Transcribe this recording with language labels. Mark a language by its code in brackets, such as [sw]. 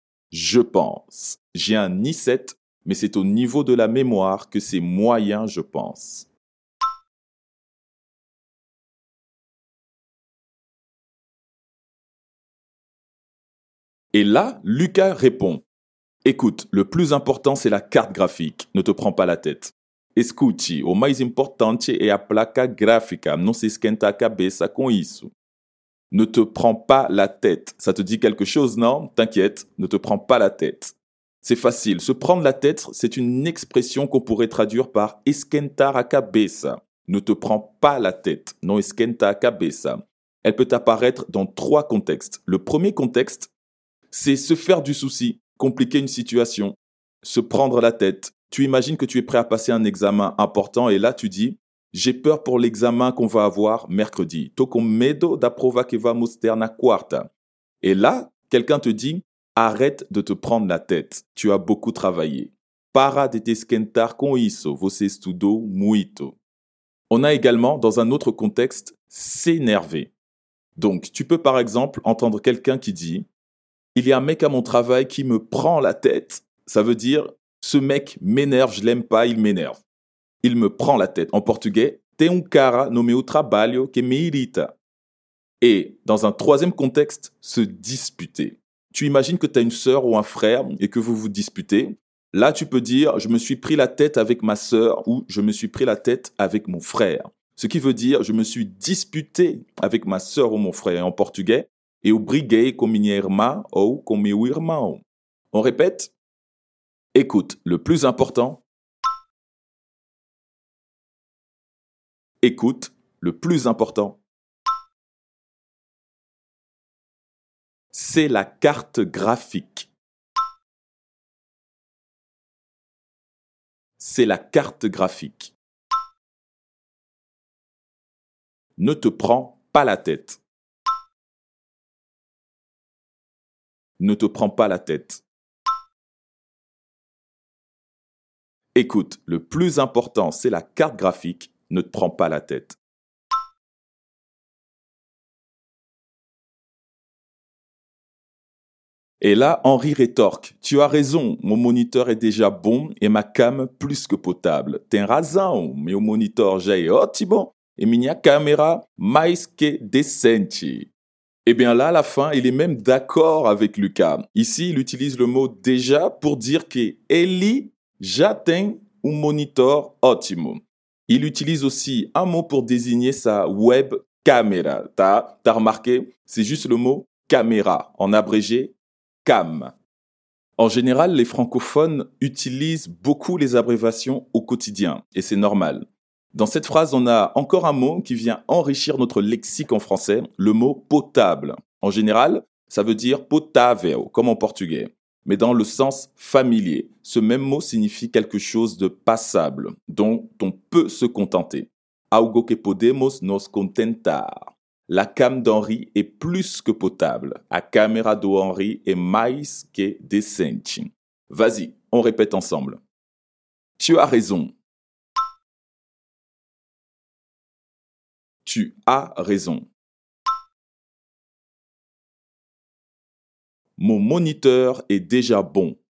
[fr] Je pense. J'ai un ni 7, mais c'est au niveau de la mémoire que c'est moyen, je pense. Et là, Lucas répond. Écoute, le plus important, c'est la carte graphique. Ne te prends pas la tête. [pt] Escuti, o mais importante é a placa gráfica. Não se esquenta a cabeça com isso. [fr] Ne te prends pas la tête. Ça te dit quelque chose, non? T'inquiète, ne te prends pas la tête. C'est facile. Se prendre la tête, c'est une expression qu'on pourrait traduire par [pt] esquentar a cabeça. [fr] Ne te prends pas la tête. [pt] Non esquenta a cabeça. [fr] Elle peut apparaître dans trois contextes. Le premier contexte, c'est se faire du souci, compliquer une situation, se prendre la tête. Tu imagines que tu es prêt à passer un examen important et là tu dis « J'ai peur pour l'examen qu'on va avoir mercredi. [pt] Tô com medo da prova que vamos ter na quarta. [fr] » Et là, quelqu'un te dit « Arrête de te prendre la tête. Tu as beaucoup travaillé. [pt] Para de te esquentar com isso. Você estudou muito. [fr] » On a également, dans un autre contexte, « S'énerver ». Donc, tu peux par exemple entendre quelqu'un qui dit « Il y a un mec à mon travail qui me prend la tête. » Ça veut dire ce mec m'énerve, je l'aime pas, il m'énerve. Il me prend la tête. En portugais, [pt] tem um cara no meu trabalho que me irrita. [fr] Et dans un troisième contexte, se disputer. Tu imagines que tu as une sœur ou un frère et que vous vous disputez. Là, tu peux dire je me suis pris la tête avec ma sœur ou je me suis pris la tête avec mon frère. Ce qui veut dire je me suis disputé avec ma sœur ou mon frère. En portugais, [pt] eu briguei com minha irmã ou com meu irmão. [fr] On répète. Écoute, le plus important. Écoute, le plus important. C'est la carte graphique. C'est la carte graphique. Ne te prends pas la tête. Ne te prends pas la tête. Écoute, le plus important, c'est la carte graphique. Ne te prends pas la tête. Et là, Henri rétorque. Tu as raison, mon moniteur est déjà bon et ma cam plus que potable. [pt] T'es razão, meu monitor já é ótimo e minha câmera mais que decente. [fr] Eh bien là, à la fin, il est même d'accord avec Lucas. Ici, il utilise le mot déjà pour dire que Eli j'atteins un monitor ótimo. Il utilise aussi un mot pour désigner sa web camera. T'as remarqué? C'est juste le mot caméra, en abrégé cam. En général, les francophones utilisent beaucoup les abréviations au quotidien, et c'est normal. Dans cette phrase, on a encore un mot qui vient enrichir notre lexique en français, le mot potable. En général, ça veut dire potável, comme en portugais. Mais dans le sens familier, ce même mot signifie quelque chose de passable, dont on peut se contenter. [pt] Algo que podemos nos contentar. [fr] La cam d'Henri est plus que potable. [pt] A câmera do Henri é mais que decente. [fr] Vas-y, on répète ensemble. Tu as raison. Tu as raison. Mon moniteur est déjà bon.